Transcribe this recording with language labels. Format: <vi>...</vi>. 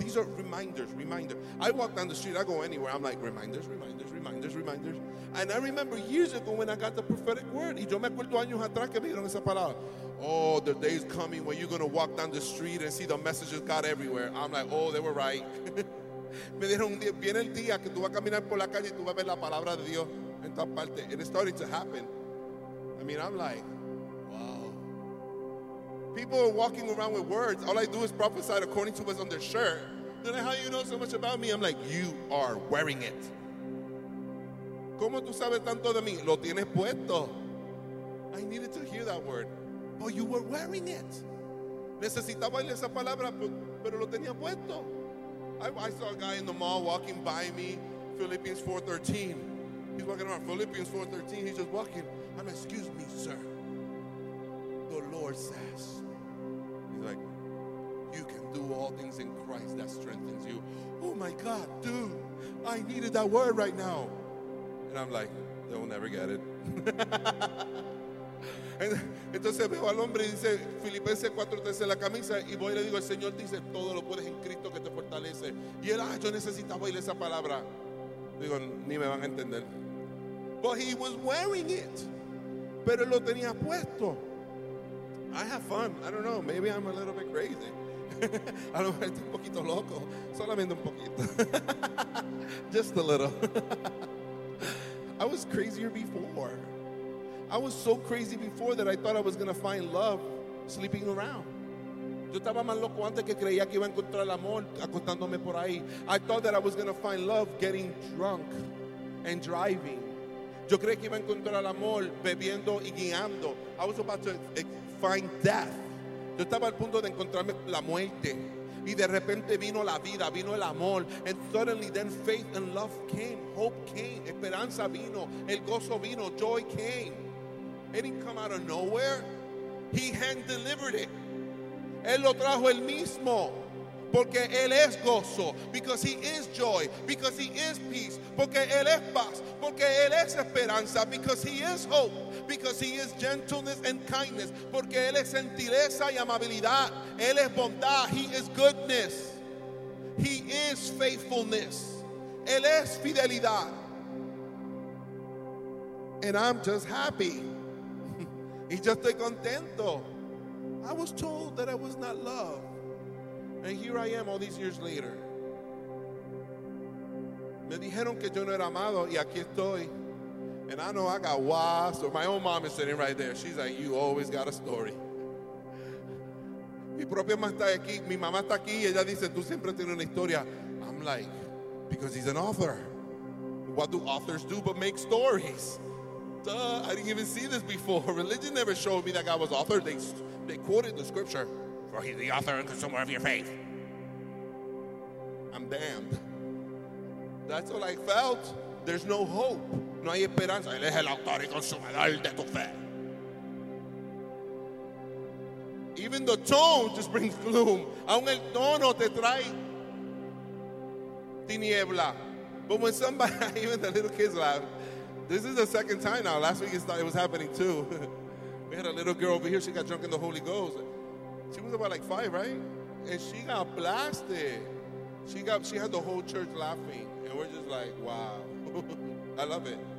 <en>These are reminders, reminder. I walk down the street, I go anywhere, I'm like, reminders, reminders, reminders, reminders. And I remember years ago when I got the prophetic word,</en> <es>y yo me acuerdo años atrás que me dieron esa palabra.</es> <en>Oh, the day is coming when you're going to walk down the street and see the messages God everywhere. I'm like, oh, they were right.</en> <es>Me dijeron un día, viene el día que tú vas a caminar por la calle y tú vas a ver la palabra de Dios en tal parte.</es> <en>And it's starting to happen. I mean, I'm like, wow. People are walking around with words. All I do is prophesy according to what's on their shirt. They're like, how you know so much about me? I'm like, you are wearing it.</en> <es>¿Cómo tú sabes tanto de mí? Lo tienes puesto.</es> <en>I needed to hear that word. But you were wearing it.</en> <es>Necesitaba oír esa palabra, pero lo tenía puesto.</es> <en>I saw a guy in the mall walking by me, Philippians 4:13. He's walking around, Philippians 4:13. He's just walking. I'm like, excuse me, sir. The Lord says. He's like, you can do all things in Christ that strengthens you. Oh my God, dude, I needed that word right now. And I'm like, they'll never get it.</en> <es>Entonces veo al hombre y dice Filipenses 4:13 la camisa y voy y le digo, el Señor dice, todo lo puedes en Cristo que te fortalece. Y él, ah, yo necesitaba oír esa palabra. Digo, ni me van a entender.</es> <en>But he was wearing it.</en> <es>Pero él lo tenía puesto.</es> <en>I have fun. I don't know, maybe I'm a little bit crazy.</en> <es>A lo mejor estoy un poquito loco. Solamente un poquito.</es> <en>Just a little. I was crazier before. I was so crazy before that I thought I was going to find love sleeping around.</en> <es>Yo estaba más loco antes que creía que iba a encontrar el amor acostándome por ahí.</es> <en>I thought that I was going to find love getting drunk and driving.</en> <es>Yo creí que iba a encontrar el amor bebiendo y guiando.</es> <en>I was about to find death.</en> <es>Yo estaba al punto de encontrarme la muerte. Y de repente vino la vida, vino el amor.</es> <en>And suddenly then faith and love came. Hope came.</en> <es>Esperanza vino. El gozo vino.</es> <en>Joy came. It didn't come out of nowhere. He hand delivered it.</en> <es>Él lo trajo él mismo. Porque él es gozo.</es> <en>Because he is joy. Because he is peace.</en> <es>Porque él es paz. Porque él es esperanza.</es> <en>Because he is hope. Because he is gentleness and kindness.</en> <es>Porque él es gentileza y amabilidad. Él es bondad.</es> <en>He is goodness. He is faithfulness.</en> <es>Él es fidelidad.</es> <en>And I'm just happy.</en> <es>Y yo estoy contento.</es> <en>I was told that I was not loved. And here I am all these years later.</en> <es>Me dijeron que yo no era amado y aquí estoy.</es> <en>And I know I got wasps. Or my own mom is sitting right there. She's like, you always got a story.</en> <es>Mi propia mamá está aquí. Mi mamá está aquí. Ella dice, tú siempre tienes una historia.</es> <en>I'm like, because he's an author. What do authors do but make stories? Duh, I didn't even see this before. Religion never showed me that God was author. They quoted the scripture. For he's the author and consumer of your faith. I'm damned. That's all I felt. There's no hope.</en> <es>No hay esperanza. Él es el autor y consumador de tu fe.</es> <en>Even the tone just brings gloom.</en> <es>Aún el tono te trae tiniebla.</es> <en>But when somebody, even the little kids laugh. This is the second time now. Last week it was happening too. We had a little girl over here. She got drunk in the Holy Ghost. She was about like 5, right? And she got blasted. She had the whole church laughing. And we're just like, wow. I love it.</en>